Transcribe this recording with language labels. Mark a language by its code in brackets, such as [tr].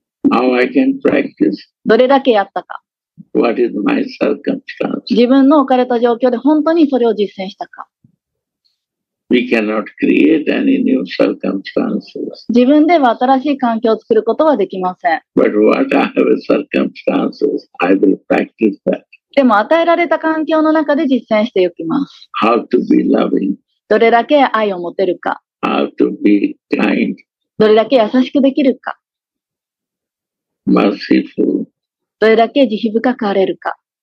[en] How I can practice. [ja] どれだけやったか。 [en] What is my circumstance? [ja] 自分の置かれた状況で本当にそれを実践したか。 [en] We cannot create any new circumstances. [ja] 自分では新しい環境を作ることはできません。 [en] But what I have circumstances, I will practice that. [ja] でも与えられた環境の中で実践していきます。 [en] How to be loving. [ja] どれだけ愛を持てるか。 [en] How to be kind. [ja] どれだけ優しくできるか。 [en] Merciful. [ja] どれだけ慈悲深くあれるか。